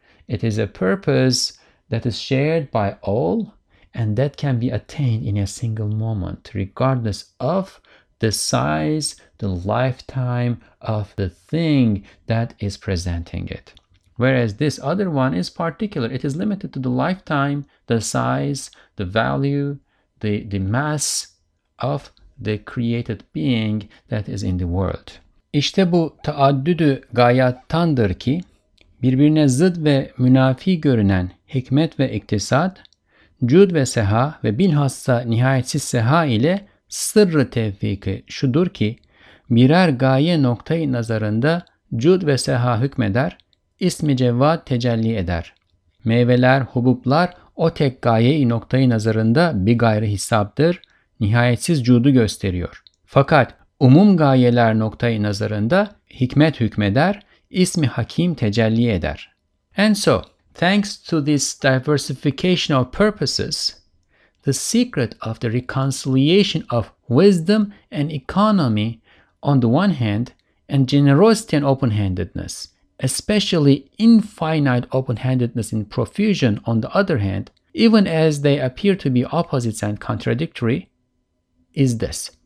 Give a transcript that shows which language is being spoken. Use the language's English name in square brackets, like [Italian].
[English] It is a purpose that is shared by all, and that can be attained in a single moment, regardless of the size, the lifetime of the thing that is presenting it. Whereas this other one is particular. It is limited to the lifetime, the size, the value, the mass of the created being that is in the world. [Turkish] İşte bu taaddüdü gayattandır ki, birbirine zıt ve münafi görünen hikmet ve iktisat, cud ve seha ve bilhassa nihayetsiz seha ile sırrı tevfiki şudur ki, birer gaye noktayı nazarında cud ve seha hükmeder, ismi cevvat tecelli eder. Meyveler, hubuplar o tek gaye-i noktayı nazarında bir gayrı hesaptır, nihayetsiz cudu gösteriyor. Fakat umum gayeler noktayı nazarında hikmet hükmeder, ismi hakim tecelli eder. [English] And so, thanks to this diversification of purposes, the secret of the reconciliation of wisdom and economy on the one hand, and generosity and open-handedness, especially infinite open-handedness in profusion on the other hand, even as they appear to be opposites and contradictory, is this.